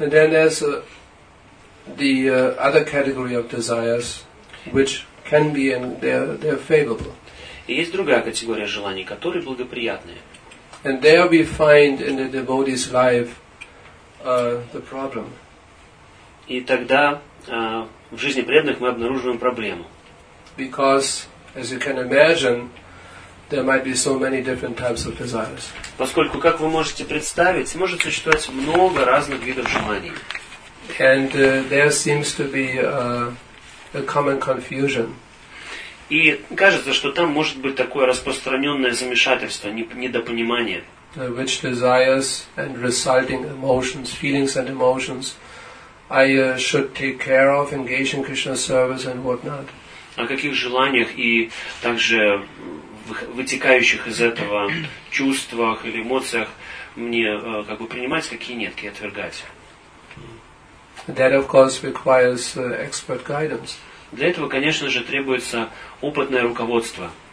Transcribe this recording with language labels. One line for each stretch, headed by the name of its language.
English: And then there's the other category of desires, which can be and they're favorable.
Russian: И есть другая категория желаний, которые благоприятные.
English: And there we find in the devotee's life the problem.
Russian: И тогда в жизни преданных мы обнаруживаем проблему.
English: Because, as you can imagine, there might be so many different types of desires.
Russian: Поскольку, как вы можете представить, может существовать много разных видов желаний.
English: And there seems to be a common confusion.
Russian: И кажется, что там может быть такое распространенное замешательство, недопонимание.
English: Which desires and resulting emotions, feelings and emotions, I should take care of, engage in Krishna service and whatnot.
Russian: О каких желаниях и также вытекающих из этого чувствах или эмоциях мне как бы принимать, какие нет, какие отвергать.
English: That of course requires expert guidance.
Russian: Для этого, конечно же, требуется опытное руководство.